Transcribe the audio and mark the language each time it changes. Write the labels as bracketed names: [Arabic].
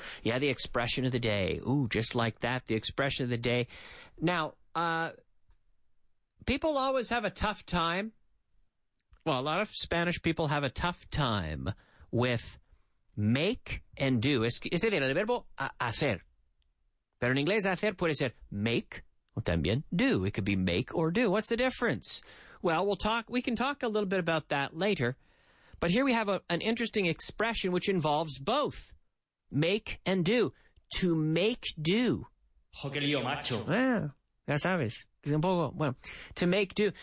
[English] Yeah, the expression of the day. Ooh, just like that, the expression of the day. Now, people always have a tough time. Well, a lot of Spanish people have a tough time with make and do. [Spanish] Es decir, el verbo hacer. Pero en inglés, hacer puede ser make o también do. [English] It could be make or do. What's the difference? Well, we can talk a little bit about that later. But here we have an interesting expression which involves both make and do. To make do. [Spanish] Joque lío, macho. Ya sabes. [English] To make do.